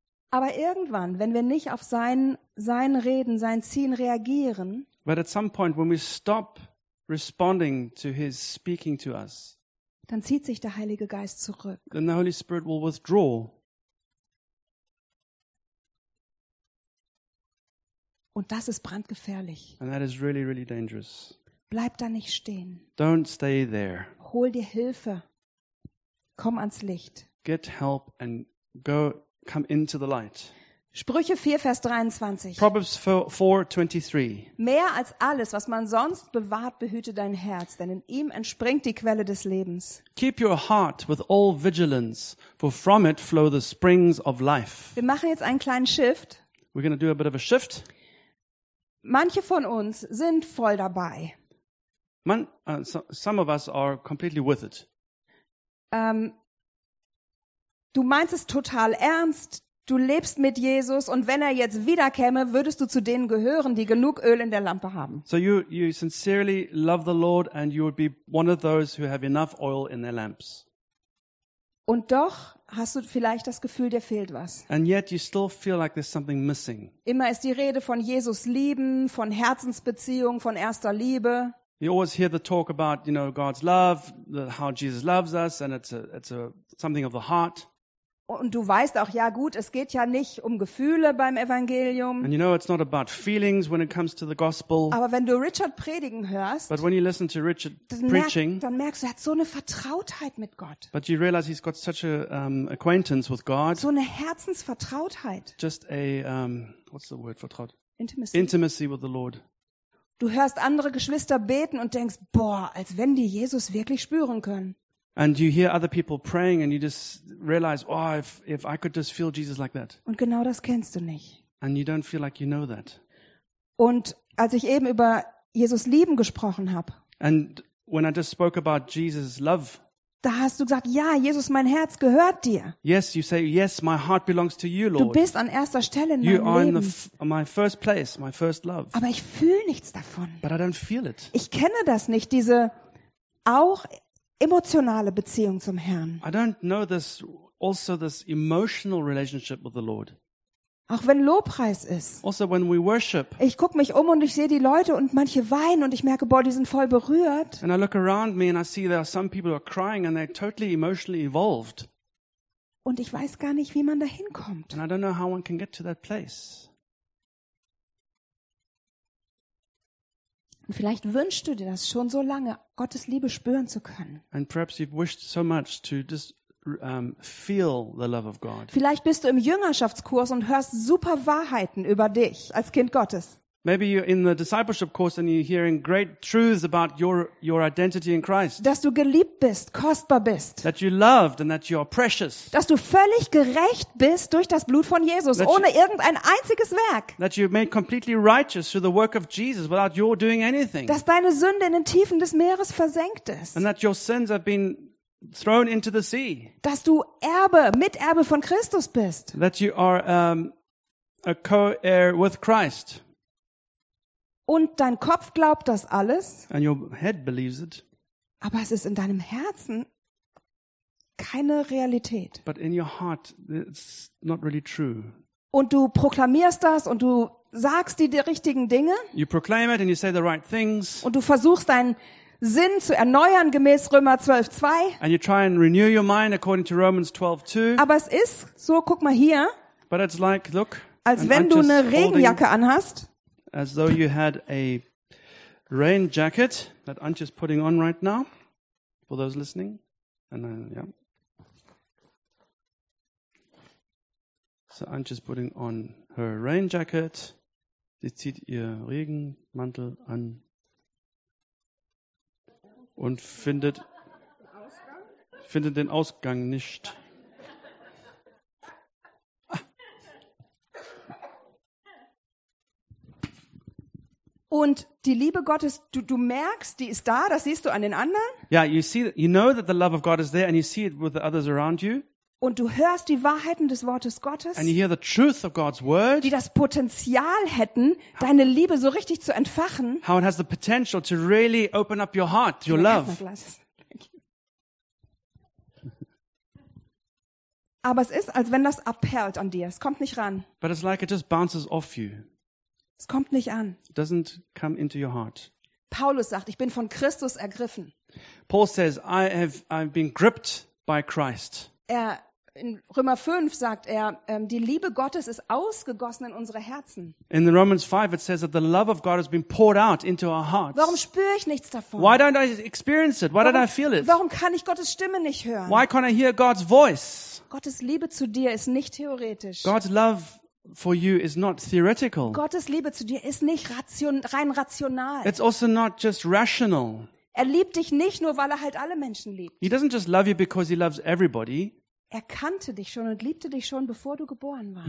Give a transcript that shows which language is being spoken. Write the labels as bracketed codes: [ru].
[de] Aber irgendwann, wenn wir nicht auf sein Reden, sein Ziehen reagieren, [en] but at some point when we stop responding to his speaking to us, [de] dann zieht sich der Heilige Geist zurück. [en] Then the Holy Spirit will withdraw. [de] Und das ist brandgefährlich. [en] And that is really, really dangerous. [de] Bleib da nicht stehen. [en] Don't stay there. [de] Hol dir Hilfe. Komm ans Licht. [en] Get help and go, come into the light. [de] Sprüche 4, Vers 23. [en] Proverbs 4, 23. [de] Mehr als alles, was man sonst bewahrt, behüte dein Herz, denn in ihm entspringt die Quelle des Lebens. [en] Keep your heart with all vigilance, for from it flow the springs of life. [de] Wir machen jetzt einen kleinen Shift. [en] We're going to do a bit of a shift. [de] Manche von uns sind voll dabei. [en] Some of us are completely with it. [de] Du meinst es total ernst. Du lebst mit Jesus und wenn er jetzt wiederkäme, würdest du zu denen gehören, die genug Öl in der Lampe haben. [en] So you sincerely love the Lord and you would be one of those who have enough oil in their lamps. [de] Und doch hast du vielleicht das Gefühl, dir fehlt was. [en] And yet you still feel like there's something missing. [de] Immer ist die Rede von Jesus lieben, von Herzensbeziehung, von erster Liebe. [en] You always hear the talk about, you know, God's love, how Jesus loves us and it's a something of the heart. [de] Und du weißt auch, ja gut, es geht ja nicht um Gefühle beim Evangelium. [en] And you know it's not about feelings when it comes to the gospel. [de] Aber wenn du Richard predigen hörst, [en] but when you listen to Richard preaching, [de] dann merkst du, er hat so eine Vertrautheit mit Gott. [en] But you realize he's got such a acquaintance with God. [de] So eine Herzensvertrautheit. [en] Just a what's the word, vertraut? Intimacy. Intimacy with the Lord. [de] Du hörst andere Geschwister beten und denkst, boah, als wenn die Jesus wirklich spüren können. [en] And you hear other people praying and you just realize, oh, if I could just feel Jesus like that. [de] Und genau das kennst du nicht. [en] And you don't feel like you know that. [de] Und als ich eben über Jesus lieben gesprochen habe. [en] And when I just spoke about Jesus love. [de] Da hast du gesagt, ja, Jesus, mein Herz gehört dir. [en] Yes, you say, yes, my heart belongs to you, Lord. [de] Du bist an erster Stelle in [en] you [de] meinem Leben. [en] You are in my first place, my first love. [de] Aber ich fühle nichts davon. [en] But I don't feel it. [de] Ich kenne das nicht, diese auch emotionale Beziehung zum Herrn. [en] I don't know this, also this emotional relationship with the Lord. [de] Auch wenn Lobpreis ist. [en] Also when we worship. [de] Ich gucke mich um und ich sehe die Leute und manche weinen und ich merke, boah, die sind voll berührt. [en] And I look around me and I see there are some people who are crying and they're totally emotionally involved. [de] Und ich weiß gar nicht, wie man da hinkommt. [en] And I don't know how one can get to that place. [de] Und vielleicht wünschst du dir das schon so lange, Gottes Liebe spüren zu können. [en] And perhaps you've wished so much to just feel the love of God. [de] Vielleicht bist du im Jüngerschaftskurs und hörst super Wahrheiten über dich als Kind Gottes. [en] Maybe you're in the discipleship course and you're hearing great truths about your identity in Christ. [de] Dass du geliebt bist, kostbar bist. [en] That you're loved and that you're precious. [de] Dass du völlig gerecht bist durch das Blut von Jesus, that ohne irgendein einziges Werk. [en] That you're made completely righteous through the work of Jesus without your doing anything. [de] Dass deine Sünde in den Tiefen des Meeres versenkt ist. [en] And that your sins have been thrown into the sea. [de] Dass du Erbe, Miterbe von Christus bist. [en] That you are a co-heir with Christ. [de] Und dein Kopf glaubt das alles. [en] And your head believes it. [de] Aber es ist in deinem Herzen keine Realität. [en] But in your heart, it's not really true. [de] Und du proklamierst das und du sagst die richtigen Dinge. [en] You proclaim it and you say the right things. [de] Und du versuchst deinen Sinn zu erneuern gemäß Römer 12:2. [en] And you try and renew your mind according to Romans 12:2. [de] Aber es ist so, guck mal hier. [en] But it's like, look, [de] als wenn du eine Regenjacke anhast. [en] As though you had a rain jacket that Antje is putting on right now, for those listening. And then, yeah. So Antje is putting on her rain jacket. [de] Sie zieht ihr Regenmantel an und findet den Ausgang nicht. Und die Liebe Gottes, du merkst, die ist da, das siehst du an den anderen. [en] Yeah, you see, you know that the love of God is there and you see it with the others around you. [de] Und du hörst die Wahrheiten des Wortes Gottes. [en] And you hear the truth of God's word. [de] Die das Potenzial hätten, deine Liebe so richtig zu entfachen. [en] How it has the potential to really open up your heart, your love. [de] Aber es ist, als wenn das abperlt an dir. Es kommt nicht ran. [en] But it's like it just bounces off you. [de] Es kommt nicht an. [en] It doesn't come into your heart. [de] Paulus sagt, ich bin von Christus ergriffen. [en] Paul says, I've been gripped by Christ. [de] In Römer 5 sagt er, die Liebe Gottes ist ausgegossen in unsere Herzen. [en] In the Romans 5 it says that the love of God has been poured out into our hearts. [de] Warum spüre ich nichts davon? [en] Why don't I experience it? Why don't I feel it? [de] Warum kann ich Gottes Stimme nicht hören? [en] Why can't I hear God's voice? [de] Gottes Liebe zu dir ist nicht theoretisch. [en] God's love for you is not theoretical. [de] Gottes Liebe zu dir ist nicht rein rational. [en] It's also not just rational. [de] Er liebt dich nicht nur, weil er halt alle Menschen liebt. [en] He doesn't just love you because he loves everybody. [de] Er kannte dich schon und liebte dich schon, bevor du geboren warst.